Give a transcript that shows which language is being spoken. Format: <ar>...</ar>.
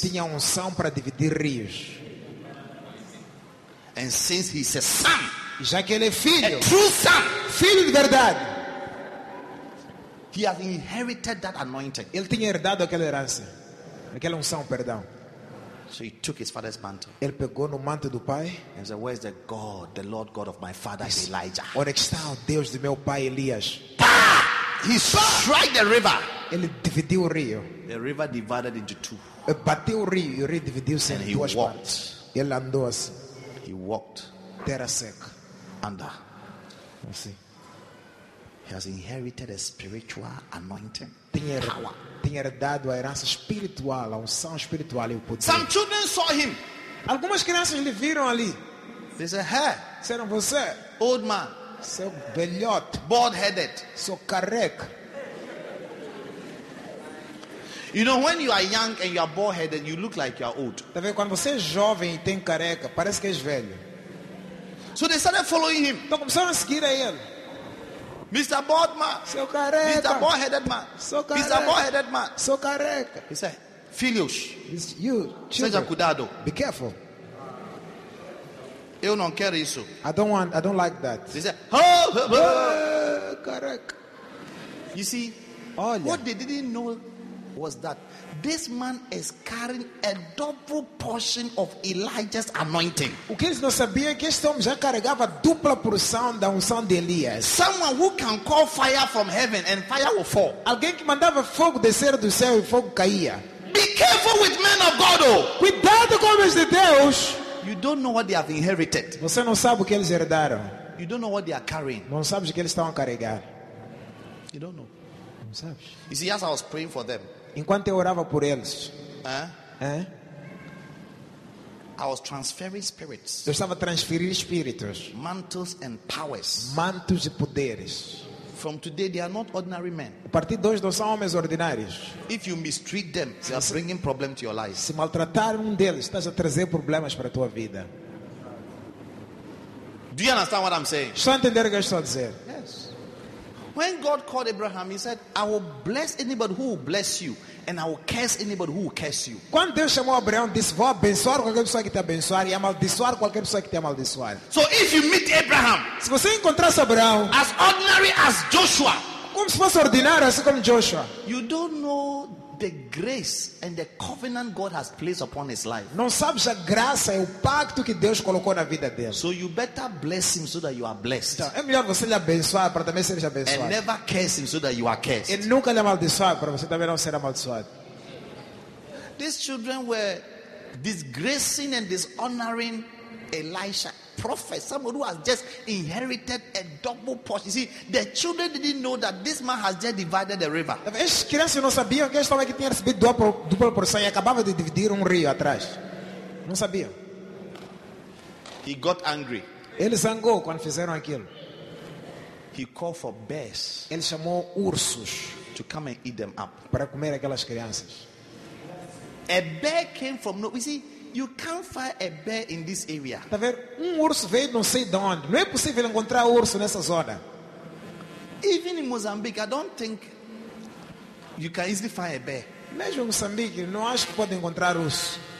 <pt>Tinha unção para dividir rios.</pt> <en>And since he's a son,</en> <pt>já que ele é filho,</pt> <en>a true son,</en> <pt>filho de verdade.</pt> <en>He has inherited that anointing.</en> <pt>Ele tinha herdado aquela herança, aquela unção, perdão.</pt> <en>So he took his father's mantle.</en> <pt>Ele pegou no manto do pai.</pt> <en>And said, "Where is the God, the Lord God of my father Elijah?"</en> <pt>Onde está o Deus de meu pai Elias?</pt> <en>He struck the river.</en> <pt>Ele dividiu o rio.</pt> <en>The river divided into two.</en> <pt>Bateu o rio dividiu-se em duas partes. Ele andou assim.</pt> <en>He walked.</en> <pt>Terra seca. Anda. Assim.</pt> <en>He has inherited a spiritual anointing.</en> <pt>Tinha herdado a herança espiritual, a unção espiritual e o poder.</pt> <en>Some children saw him.</en> <pt>Algumas crianças lhe viram ali.</pt> <en>They said, "Hey,</en> <pt>seram você,</pt> <en>old man,</en> <pt>seu velhote,</pt> <en>bald headed,</en> <pt>seu careca."</pt> <en>You know, when you are young and you are bald headed, you look like you are old.</en> <pt>Tá vendo? Quando você é jovem e tem careca, parece que és velho.</pt> <en>So they started following him.</en> <pt>Então começaram a seguir a ele.</pt> <en>Mr. Boldman,</en> <pt>seu careca.</pt> <en>Mr. Boldheaded man,</en> <pt>seu careca.</pt> <en>Mr. Boldheaded man,</en> <pt>seu careca.</pt> <en>He said, "Filhos, you, children,</en> <pt>seja cuidado.</pt> <en>Be careful.</en> <pt>Eu não quero isso.</pt> <en>I don't like that." He said, "Oh,</en> <pt>careca."</pt> <en>You see,</en> <pt>olha,</pt> <en>what they didn't know was that this man is carrying a double portion of Elijah's anointing.</en> <pt>O que eles não sabiam é que este homem já carregava dupla porção da unção de Elias.</pt> <en>Someone who can call fire from heaven and fire will fall.</en> <pt>Alguém que mandava fogo descer do céu e fogo caía.</pt> <en>Be careful with men of God, oh.</en> <pt>Cuidado com homens de Deus.</pt> <en>You don't know what they have inherited.</en> <pt>Você não sabe o que eles herdaram.</pt> <en>You don't know what they are carrying.</en> <pt>Não sabes o que eles estão a carregar.</pt> <en>You don't know.</en> <pt>Não sabes.</pt> <en>You see, as I was praying for them,</en> <pt>enquanto eu orava por eles,</pt> <en>I was transferring spirits,</en> <pt>eu estava a transferir espíritos,</pt> <en>mantles and powers,</en> <pt>mantos e poderes.</pt> <en>From today, they are not ordinary men.</en> <pt>A partir de hoje, não são homens ordinários.</pt> <en>If you mistreat them, they are bringing problems to your life.</en> <pt>Se maltratar um deles, estás a trazer problemas para a tua vida.</pt> <en>Do you understand what I'm saying?</en> <pt>Estão a entender o que eu estou a dizer?</pt> <en>Yes. When God called Abraham, he said, "I will bless anybody who will bless you, and I will curse anybody who will curse you."</en> <pt>Quando Deus chamou Abraão, disse, "Vou abençoar qualquer pessoa que te abençoar e amaldiçoar qualquer pessoa que te amaldiçoar."</pt> <en>So if you meet Abraham,</en> <pt>se você encontrasse Abraão,</pt> <en>as ordinary as Joshua,</en> <pt>como se fosse ordinário assim como Joshua,</pt> <en>you don't know the grace and the covenant God has placed upon his life.</en> <pt>Não sabes a graça e o pacto que Deus colocou na vida dele.</pt> <en>So you better bless him so that you are blessed.</en> <pt>Então, é melhor você lhe abençoar para também ser abençoado.</pt> <en>And never curse him so that you are cursed.</en> <pt>E nunca lhe amaldiçoar para você também não ser amaldiçoado.</pt> <en>These children were disgracing and dishonoring Elisha, prophet, someone who has just inherited a double portion. You see, the children didn't know that this man has just divided the river.</en> <pt>Esses crianças não sabiam que este homem tinha recebido dupla porção e acabava de dividir rio atrás. Não sabiam.</pt> <en>He got angry.</en> <pt>Ele zangou quando fizeram aquilo.</pt> <en>He called for bears.</en> <pt>Ele chamou ursos</pt> <en>to come and eat them up.</en> <pt>Para comer aquelas crianças.</pt> <en>A bear came from nowhere. You see, you can't find a bear in this area.</en> <pt>Tá vendo? Urso veio não sei de onde. Não é possível encontrar urso nessa zona.</pt> <en>Even in Mozambique, I don't think you can easily find a bear.</en> <pt>Mesmo em Moçambique, não acho que pode encontrar urso.</pt>